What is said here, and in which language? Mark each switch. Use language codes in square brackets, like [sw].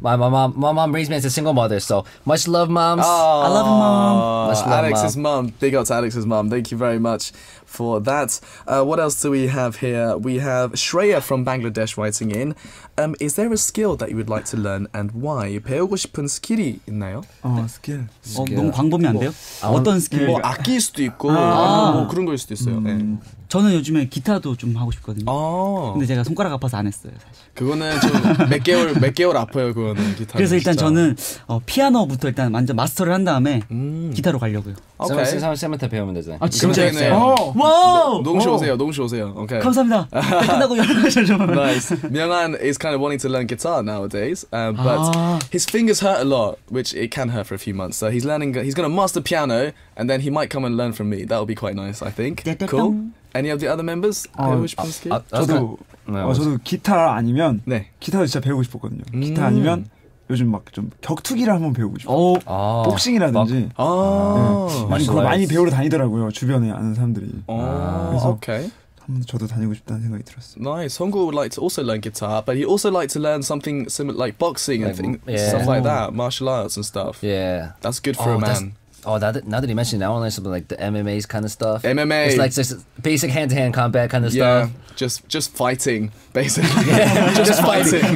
[en] My mom raised me as a single mother, so much love, moms. Aww. I love you, mom. Much love, Alex's mom. Big up to Alex's mom. Thank you very much for that. What else do we have here? We have Shreya from Bangladesh writing in. Is there a skill that you would like to learn and why? [ko] 배우고 싶은 스킬이 있나요? 스킬. 너무 광범위 안 돼요? 어떤 스킬? 뭐 악기일 수도 있고 뭐 그런 거일 수도 있어요. 네. 저는 요즘에 기타도 좀 하고 싶거든요. 근데 제가 손가락 아파서 안 했어요, 사실. 그거는 좀 몇 개월 아파요, 그거는 기타. 그래서 일단 진짜. 저는 피아노부터 일단 완전 마스터를 한 다음에 기타로 가려고요. 오케이. 쌤한테 배우면 되잖아요. 진짜요? 와! 농쇼세요. 오케이. 감사합니다. 끝나고 연락을 좀. [en] Nice. Myeongan is kind of wanting to learn guitar nowadays, but his fingers hurt a lot, which it can hurt for a few months. So he's learning. He's gonna master piano, and then he might come and learn from me. That'll be quite nice, I think. Cool. Any of the other members? [ko] 배우고 싶은 스킬? 저도 기타 아니면 네. 기타도 진짜 배우고 싶었거든요. 기타 아니면 요즘 막 좀 격투기를 한번 배우고 싶어요. 복싱이라든지. 많이 그걸 많이 배우러 다니더라고요. 주변에 아는 사람들이. 그래서 okay. 저도 다니고 싶다는 생각이 들었어요. [en] Nice. Songgu would like to also learn guitar, but he also like to learn something similar like boxing and stuff like that. Martial arts and stuff. Yeah. That's good for a man. Now that you mentioned it, I want to learn something like the MMA's kind of stuff. MMA. It's like just basic hand-to-hand combat kind of yeah, stuff. Just fighting, basically. Yeah. just fighting.